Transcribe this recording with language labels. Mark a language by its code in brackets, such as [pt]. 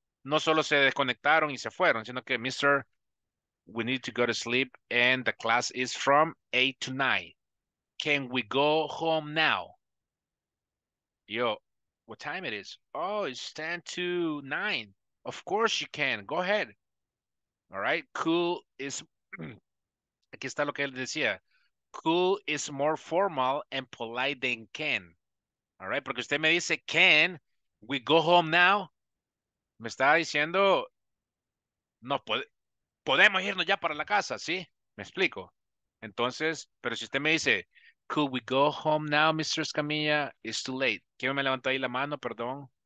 [es] No solo se desconectaron y se fueron, sino que, [en] Mr., we need to go to sleep and the class is from 8 to 9. Can we go home now? Yo, what time it is? Oh, it's 10 to 9. Of course you can. Go ahead. All right. Cool is, [es] aquí está lo que él decía. [en] Cool is more formal and polite than can. All right. [es] Porque usted me dice, [en] can we go home now? [es] Me está diciendo, no, podemos irnos ya para la casa, ¿sí? ¿Me explico? Entonces, pero si usted me dice, [en] could we go home now, [es] Mr. Escamilla? [en] It's too late. [es] ¿Quién me levantó ahí la mano? Perdón.